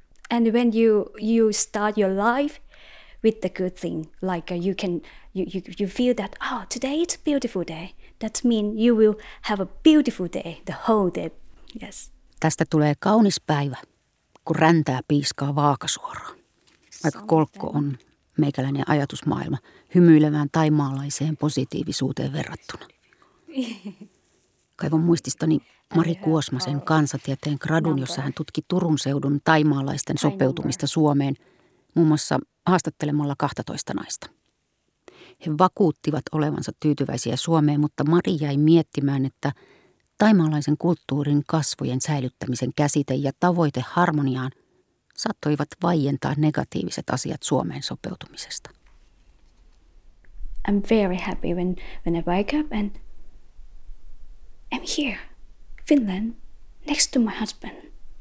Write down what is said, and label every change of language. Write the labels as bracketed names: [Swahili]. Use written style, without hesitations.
[English] And when you start your life with the good thing, like you feel that, oh, today it's a beautiful day. That means you will have a beautiful day, the whole day. Yes. [Finnish] Tästä tulee kaunis päivä, kun räntää piiskaa vaakasuoraan. Vaikka kolkko on meikäläinen ajatusmaailma hymyilevään thaimaalaiseen positiivisuuteen verrattuna. Kaivon muististani Mari Kuosmasen kansatieteen gradun, jossa hän tutki Turun seudun thaimaalaisten sopeutumista Suomeen, muun muassa haastattelemalla 12 naista. He vakuuttivat olevansa tyytyväisiä Suomeen, mutta Mari jäi miettimään, että thaimaalaisen kulttuurin kasvojen säilyttämisen käsite ja tavoite harmoniaan saattoivat vaientaa negatiiviset asiat Suomeen sopeutumisesta. [English] I'm very happy when I wake up and I'm here, Finland, next to my husband.